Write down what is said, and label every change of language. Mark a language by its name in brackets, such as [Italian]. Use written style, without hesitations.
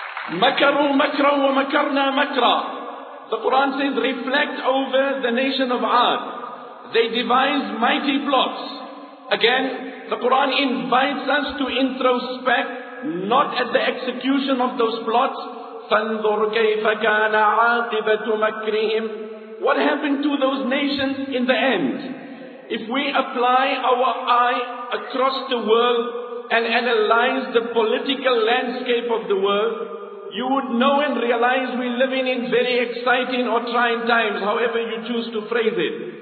[Arabic] مَكَرُوا مَكْرًا وَمَكَرْنَا مَكْرًا. [English] The Quran says, reflect over the nation of Ad. They devise mighty plots. Again, the Quran invites us to introspect, not at the execution of those plots, [Arabic] فانظر كيف كان عاقبة مكرهم. [English] What happened to those nations in the end? If we apply our eye across the world and analyze the political landscape of the world, you would know and realize we're living in very exciting or trying times, however you choose to phrase it.